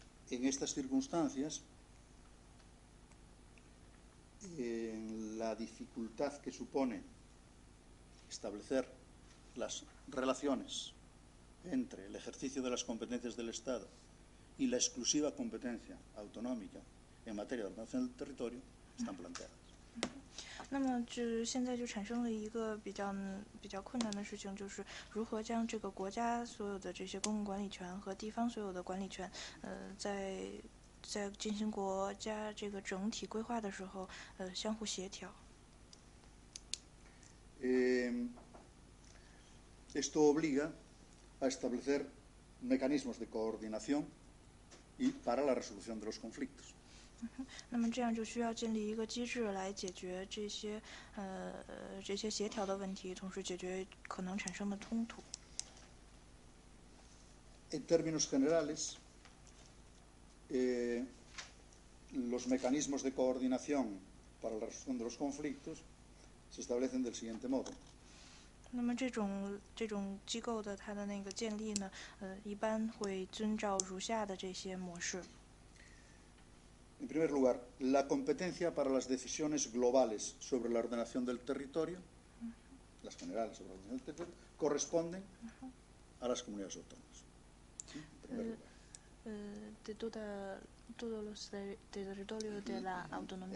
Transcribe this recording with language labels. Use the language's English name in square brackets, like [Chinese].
[Spanish] En estas circunstancias, la dificultad que supone establecer las relaciones entre el ejercicio de las competencias del Estado y la exclusiva competencia autonómica en materia de ordenación del territorio están planteadas. [Chinese] 那么就现在就产生了一个比较困难的事情，就是如何将这个国家所有的这些公共管理权和地方所有的管理权，在进行国家这个整体规划的时候，相互协调。 [Spanish] Esto obliga a establecer mecanismos de coordinación y para la resolución de los conflictos. [Chinese] 那么这样就需要建立一个机制来解决这些这些协调的问题，同时解决可能产生的冲突。 [Spanish] En términos generales, los mecanismos de coordinación para la resolución de los conflictos se establecen del siguiente modo. [Chinese] 那么这种机构的它的那个建立呢，一般会遵照如下的这些模式。 [Spanish] En primer lugar, la competencia para las decisiones globales sobre la ordenación del territorio, las generales sobre la ordenación del territorio, corresponden a las comunidades autónomas. De todos los territorios de la autonomía.